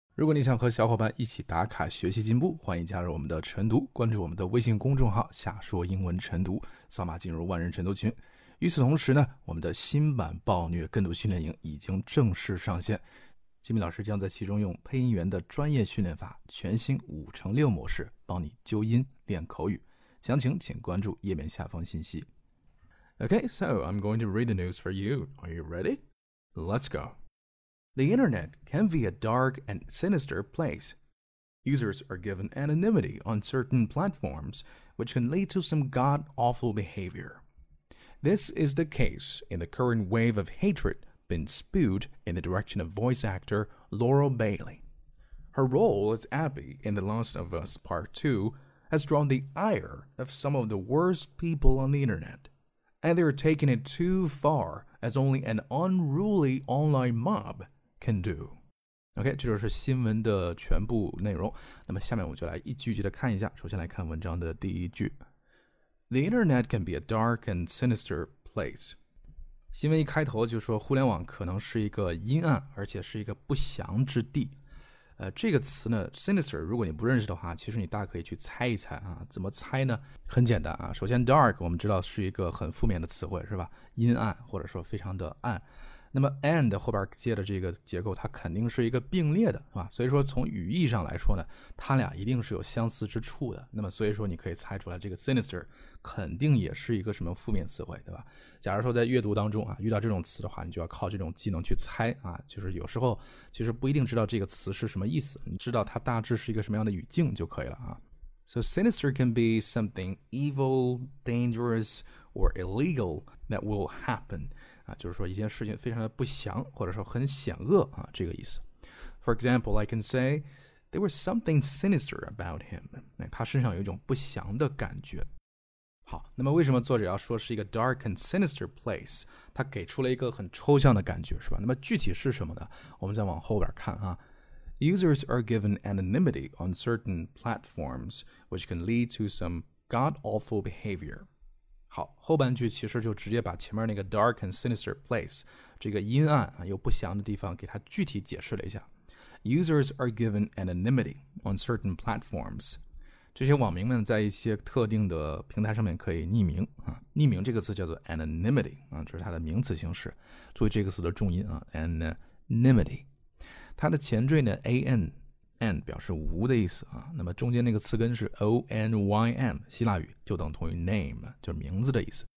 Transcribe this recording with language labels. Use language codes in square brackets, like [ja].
[zh] 如果你想和小伙伴一起打卡学习进步，欢迎加入我们的晨读，关注我们的微信公众号夏说英文晨读，扫码进入万人晨读群。与此同时呢，我们的新版暴虐跟读训练营已经正式上线。吉米老师将在其中用配音员的专业训练法，全新5x6模式帮你纠音练口语。详情请关注页面下方信息。 [en] Okay, so I'm going to read the news for you. Are you ready? Let's go. The internet can be a dark and sinister place. Users are given anonymity on certain platforms, which can lead to some god-awful behavior. This is the case in the current wave of hatred being spewed in the direction of voice actor Laurel Bailey. Her role as Abby in The Last of Us Part 2 has drawn the ire of some of the worst people on the internet, and they are taking it too far as only an unruly online mob can do. OK, [zh] 这就是新闻的全部内容。那么下面我就来一句句的看一下。首先来看文章的第一句。 [en] The internet can be a dark and sinister place. [zh] 新闻一开头就说互联网可能是一个阴暗而且是一个不祥之地。这个词呢 ,sinister, 如果你不认识的话，其实你大可以去猜一猜啊。怎么猜呢？很简单啊。首先 dark, 我们知道是一个很负面的词汇，是吧？阴暗或者说非常的暗。那么 and 后边接的这个结构它肯定是一个并列的，是吧？所以说从语义上来说呢，它俩一定是有相似之处的。那么所以说你可以猜出来这个 sinister 肯定也是一个什么负面词汇，对吧？假如说在阅读当中啊，遇到这种词的话，你就要靠这种技能去猜啊，就是有时候其实不一定知道这个词是什么意思，你知道它大致是一个什么样的语境就可以了啊。 [en] So sinister can be something evil, dangerous, or illegal that will happen. [zh] 就是说一件事情非常的不祥或者说很险恶、啊、这个意思。 [en] For example, I can say, there was something sinister about him. [zh] 他身上有一种不祥的感觉。好，那么为什么作者要说是一个 [en] dark and sinister place? [zh] 他给出了一个很抽象的感觉，是吧？那么具体是什么呢？我们再往后边看啊。 [en] Users are given anonymity on certain platforms, which can lead to some god-awful behavior. [zh] 好，后半句其实就直接把前面那个 [en] dark and sinister place [zh] 这个阴暗又不祥的地方给它具体解释了一下。 [en] Users are given anonymity on certain platforms. [zh] 这些网民们在一些特定的平台上面可以匿名、啊、匿名这个词叫做 anonymity、啊、这是它的名词形式，注意这个词的重音、啊、anonymity 它的前缀呢 an n 表示无的意思啊，那么中间那个词根是 onym， 希腊语就等同于 name， 就是名字的意思。